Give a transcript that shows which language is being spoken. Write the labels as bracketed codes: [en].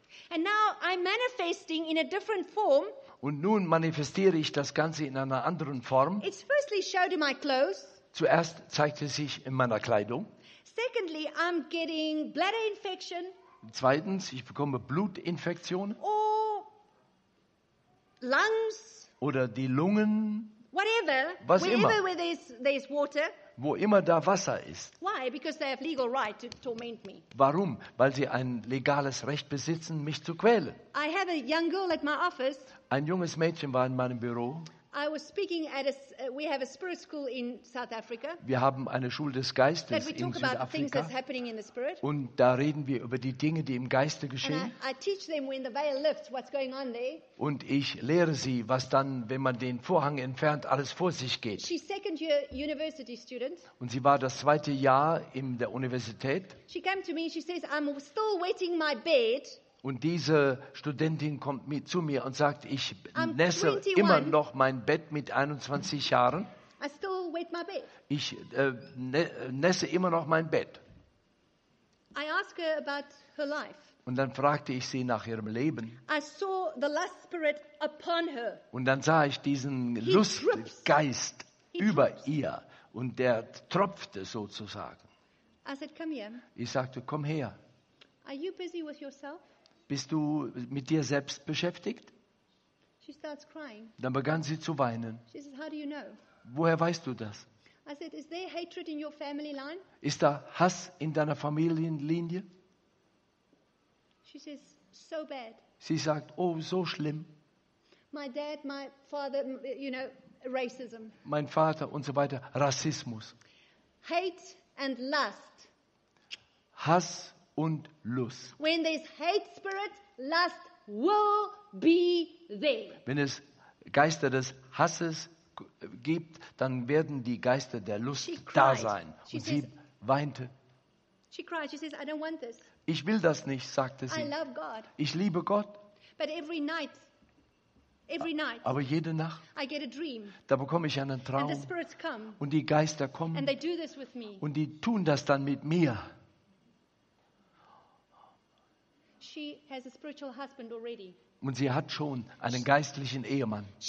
[en] And now I'm manifesting in a different form. [de] Und nun manifestiere ich das Ganze in einer anderen Form. [en] It's firstly showed in my clothes. [de] Zuerst zeigt es sich in meiner Kleidung. [en] Secondly, I'm getting bladder infection. [de] Zweitens, ich bekomme Blutinfektionen. [en] Or lungs. [de] Oder die Lungen. [en] Whatever. [de] Was immer. [en] Wherever where there's water. [de] Wo immer da Wasser ist. [en] Why? Because they have legal right to torment me. [de] Warum? Weil sie ein legales Recht besitzen, mich zu quälen. [en] I have a young girl at my office. [de] Ein junges Mädchen war in meinem Büro. [en] I was speaking at we have a spirit school in South Africa. [de] Wir haben eine Schule des Geistes [en] that we talk [de] in Südafrika. [en] About things that's happening in the spirit. [de] Und da reden wir über die Dinge, die im Geiste geschehen. [en] I teach them when the veil lifts, what's going on there. [de] Und ich lehre sie, was dann, wenn man den Vorhang entfernt, alles vor sich geht. [en] She's second year university student. [de] Und sie war das zweite Jahr in der Universität. [en] She came to me, she says, I'm still wetting my bed. [de] Und diese Studentin kommt zu mir und sagt, ich nässe immer noch mein Bett mit 21 Jahren. [en] I still wet my bed. [de] Ich nässe immer noch mein Bett. [en] I ask her about her life. [de] Und dann fragte ich sie nach ihrem Leben. [en] I saw the lust spirit upon her. [de] Und dann sah ich diesen Lustgeist über ihr. Und der tropfte sozusagen. [en] I said, come here. [de] Ich sagte, komm her. [en] Are you busy with yourself? [de] Bist du mit dir selbst beschäftigt? [en] She starts crying. [de] Dann begann sie zu weinen. [en] She says, how do you know? [de] Woher weißt du das? [en] I said, is there hatred in your family line? [de] Ist da Hass in deiner Familienlinie? [en] She says, so bad. [de] Sie sagt, oh, so schlimm. [en] My dad, my father, you know, racism. [de] Mein Vater und so weiter, Rassismus. [en] Hate and lust. [de] Hass und Lust. [en] When there's hate spirit, lust will be there. [de] Wenn es Geister des Hasses, gibt, dann werden die Geister der Lust da sein. Und sie weinte. [en] She cried. She says, I don't want this. [de] Ich will das nicht, sagte sie. [en] I love God. [de] Ich liebe Gott. [en] But every night, [de] aber jede Nacht, [en] I get a dream. [de] Da bekomme ich einen Traum. [en] And the spirits come. [de] Und die Geister kommen. [en] And they do this with me. [de] Und die tun das dann mit mir. [en] She has a spiritual husband already. [de] Und sie hat schon einen geistlichen Ehemann.